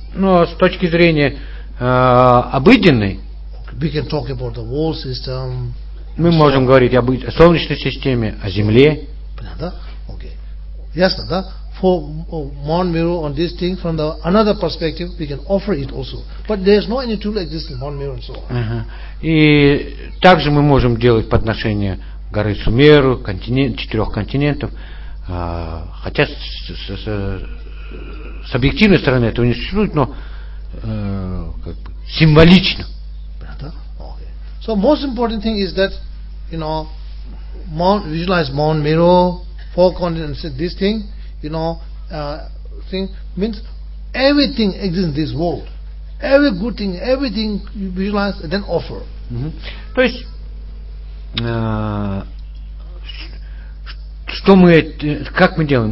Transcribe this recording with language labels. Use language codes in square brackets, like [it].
[ru] Но с точки зрения обыденной. [en] We can talk about the world system. [ru] Мы можем говорить об Солнечной системе, о Земле. Понятно? Okay. Ясно, да? [en] For Mount Meru on this thing from the another perspective we can offer it also. But there's no any tool existing Mount Meru and so on. [ru] И также мы можем делать подношение горы Сумеру, четырех континентов, хотя с объективной стороны этого не существует, но как бы символично. [en] Okay. So most important thing is that, you know, visualize Mount Meru, four continents, this thing, you know, thing means everything exists in this world. Every good thing, everything you visualize and then offer. [ru] То есть что мы, как мы делаем?